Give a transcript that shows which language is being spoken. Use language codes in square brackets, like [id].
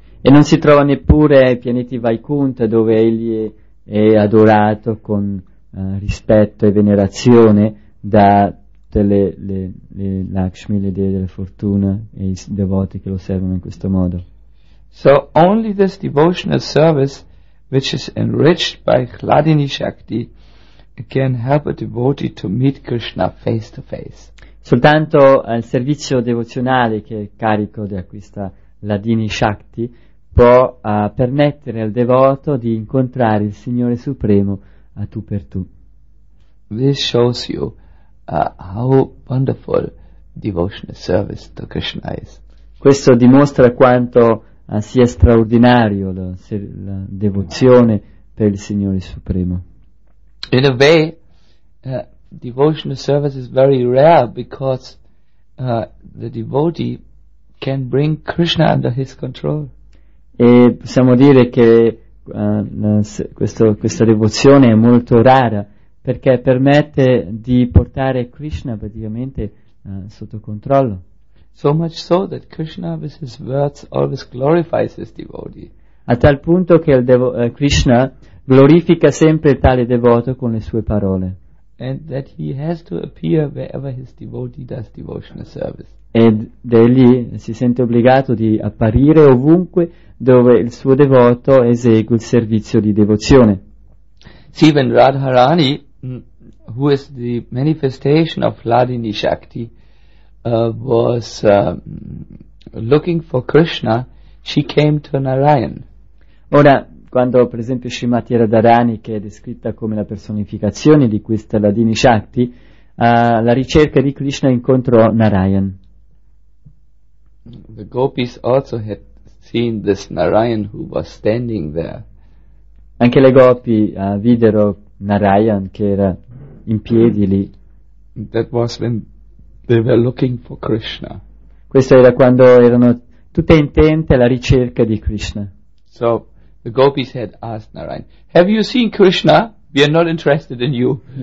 [it] E non si trova neppure ai pianeti Vaikuntha, dove egli è adorato con rispetto e venerazione da le Lakshmi, le dee della fortuna, e i devoti che lo servono in questo modo. [en] So only this devotional service, which is enriched by Kladini Shakti, can help a devotee to meet Krishna face to face. [it] Soltanto il servizio devozionale che è carico di acquista Ladini Shakti può permettere al devoto di incontrare il Signore Supremo a tu per tu. [en] This shows you how wonderful devotional service to Krishna is. [it] Questo dimostra quanto sia straordinario la devozione per il Signore Supremo. [en] In a way, devotional service is very rare because the devotee can bring Krishna under his control. [it] E possiamo dire che questa devozione è molto rara perché permette di portare Krishna praticamente sotto controllo. [en] So much so that Krishna with his words always glorifies his devotee. [it] A tal punto che Krishna glorifica sempre tale devoto con le sue parole. [en] And that he has to appear wherever his devotee does devotional service. [it] Ed egli si sente obbligato di apparire ovunque dove il suo devoto esegue il servizio di devozione. [en] See, when Radharani, who is the manifestation of Ladini Shakti, was looking for Krishna, she came to Narayan. [it] Ora, quando per esempio Srimati Radharani, che è descritta come la personificazione di questa Ladini Shakti, la ricerca di Krishna incontrò Narayan. [en] The gopis also had seen this Narayan who was standing there. [it] Anche le gopi videro Narayan che era in piedi lì. [en] That was when they were looking for Krishna. [it] Questo era quando erano tutte intente alla ricerca di Krishna. [en] So the gopis had asked Narayan, "Have you seen Krishna? We are not interested in you."